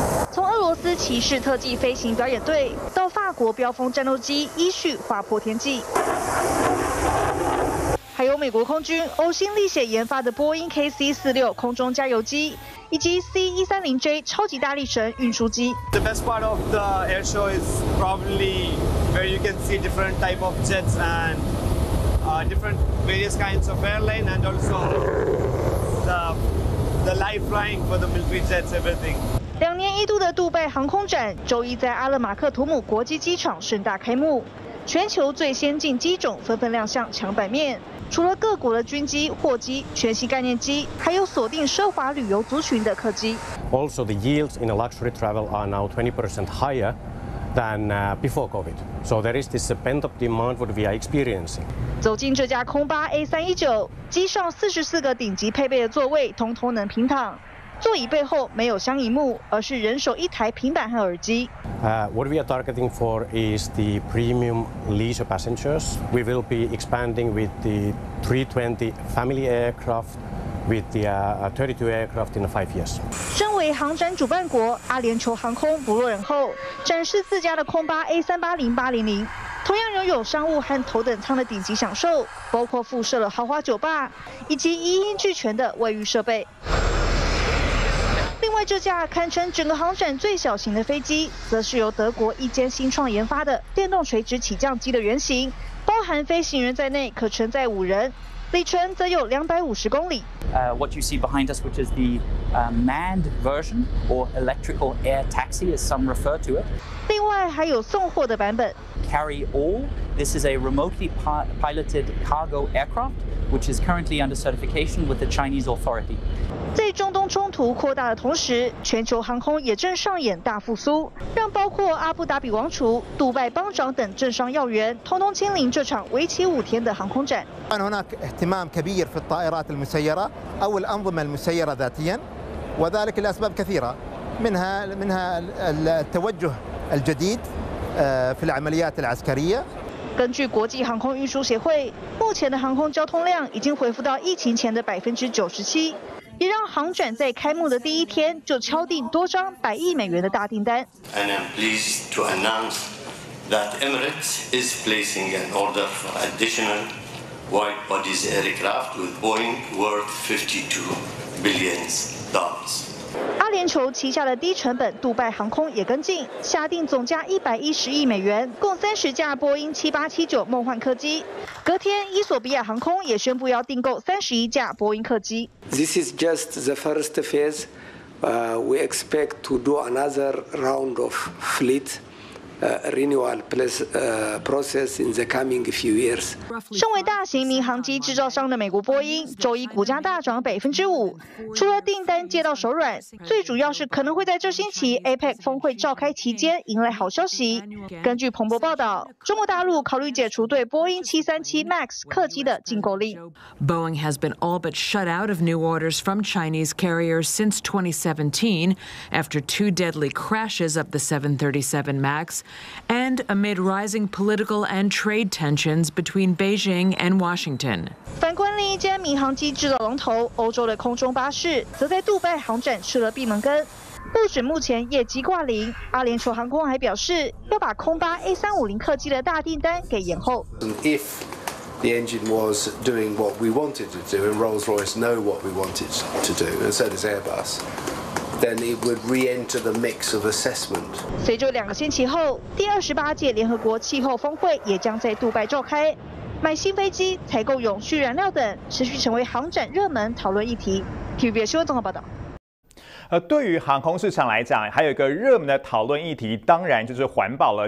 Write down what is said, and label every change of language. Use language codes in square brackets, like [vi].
[zh] 从俄罗斯骑士特技飞行表演队到法国飙风战斗机依序划破天际，还有美国空军呕心沥血研发的波音 KC-46 空中加油机，以及 C-130J 超级大力神运输机。 [en] The best part of the air show is probably where you can see different type of jets and different various kinds of airline and also the live flying for the military jets, everything. [zh] 两年一度的杜拜航空展周一在阿勒马克图姆国际机场盛大开幕，全球最先进机种纷纷亮相墙板面，除了各国的军机、货机、全新概念机，还有锁定奢华旅游族群的客机。 [en] Also, the yields in a luxury travel are now 20% higher than before COVID. So there is this pent-up demand what we are experiencing. [zh] 走进这家空巴 A319， 机上44个顶级配备的座位，通通能平躺。座椅背后没有双萤幕，而是人手一台平板和耳机。 [en] What we are targeting for is the premium leisure passengers. We will be expanding with the 320 family aircraft. With the 32 aircraft in 5 years. [zh] 身为航展主办国，阿联酋航空不落人后，展示自家的空巴 A380-800， 同样拥有商务和头等舱的顶级享受，包括附设了豪华酒吧以及一应俱全的卫浴设备。另外，这架堪称整个航展最小型的飞机，则是由德国一间新创研发的电动垂直起降机的原型，包含飞行员在内可承载五人。里程则有250公里。 [en] What you see behind us, which is the manned version or electrical air taxi, as some refer to it. [zh] 另外还有送货的版本。 [en] Carry all. This is a remotely piloted cargo aircraft, which is currently under certification with the Chinese authority. [zh] 在中东冲突扩大的同时，全球航空也正上演大复苏，让包括阿布达比王储、杜拜邦长等政商要员，通通亲临这场为期五天的航空展。 [ar] كان هناك اهتمام كبير في الطائرات المسيرة أو الأنظمة المسيرة ذاتياً، وذلك لأسباب كثيرة، منها التوجه الجديد في العمليات العسكرية. [zh] 根据国际航空运输协会，目前的航空交通量已经恢复到疫情前的97%，也让航展在开幕的第一天就敲定多张百亿美元的大订单。 [en] And I'm pleased to announce that Emirates is placing an order for additional. White bodies aircraft with Boeing worth $52 billion. [zh] 阿联酋旗下的低成本杜拜航空也跟进，下定总价110亿美元，共30架波音7879梦幻客机。隔天，伊索比亚航空也宣布要订购31架波音客机。 [en] This is just the first phase. We expect to do another round of fleet. Renewal plus process in the coming few years. [zh] 身为大型民航机制造商的美国波音，周一股价大涨5%。除了订单接到手软，最主要是可能会在这星期 APEC 峰会召开期间迎来好消息。根据彭博报道，中国大陆考虑解除对波音737 MAX 客机的禁购令。 [en] Boeing has been all but shut out of new orders from Chinese carriers since 2017, after two deadly crashes of the 737 MAX. And amid rising political and trade tensions between Beijing and Washington. [zh] 反观另一间民航机制造龙头欧洲的空中巴士，则在杜拜航展吃了闭门羹。不止目前业绩挂零，阿联酋航空还表示要把空巴 A350 客机的大订单给延后。 [en] If the engine was doing what we wanted to do, and Rolls-Royce know what we wanted to do, and so does Airbus. Then it would re-enter the mix of assessment. [zh] 随着两个星期后，第28届联合国气候峰会也将在杜拜召开。买新飞机、采购永续燃料等，持续成为航展热门讨论议题。TVBS 新闻综合报道。对于航空市场来讲，还有一个热门的讨论议题，当然就是环保了。